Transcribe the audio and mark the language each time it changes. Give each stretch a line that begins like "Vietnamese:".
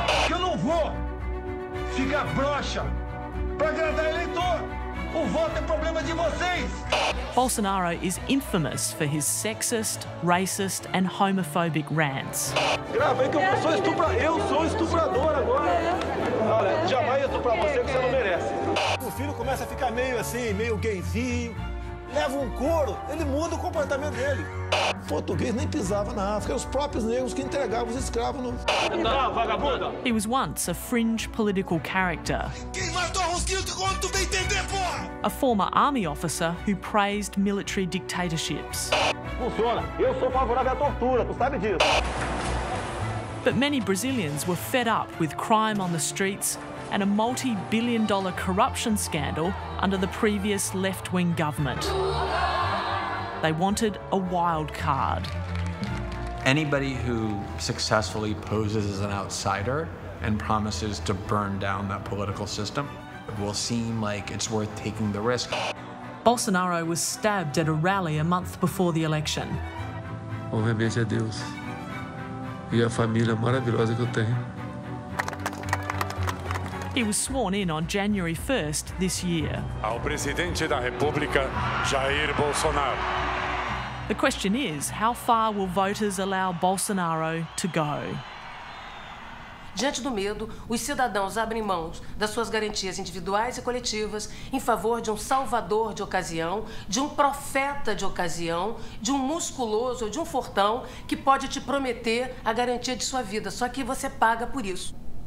Portuguese: Eu não vou ficar broxa para agradar eleitor. O voto é problema de vocês.
English: Bolsonaro is infamous for his sexist, racist and homophobic rants.
Portuguese: Grava aí que eu sou estuprador. Eu sou estuprador agora. Olha, jamais estuprar você que você não merece. O filho começa a ficar meio assim, meio gayzinho. Leva couro, ele muda o comportamento dele. O português nem pisava na África, eram os próprios negros que entregavam os escravos no... Não, vagabunda!
English: He was once a fringe political character.
Portuguese: Quem matou a Rosquinha de Gomes, tu vem entender, porra!
English: A former army officer who praised military dictatorships.
Portuguese: Funciona, eu sou favorável à tortura, tu sabe disso.
English: But many Brazilians were fed up with crime on the streets and a multi-billion dollar corruption scandal under the previous left-wing government. They wanted a wild card. Anybody who successfully poses as an outsider and promises to burn down that political system will seem like it's worth taking the risk. Bolsonaro was stabbed at a rally a month before the election.
Portuguese: Obviamente a Deus e a família maravilhosa que eu tenho.
English: He was sworn in on January 1st this year.
Portuguese: Ao presidente da República, Jair Bolsonaro.
English: The question is, how far will voters allow Bolsonaro to go?
Portuguese: Diante do medo, os cidadãos abrem mãos das suas garantias individuais e coletivas em favor de um salvador de ocasião, de um profeta de ocasião, de um musculoso ou de um fortão que pode te prometer a garantia de sua vida, só que você paga por isso.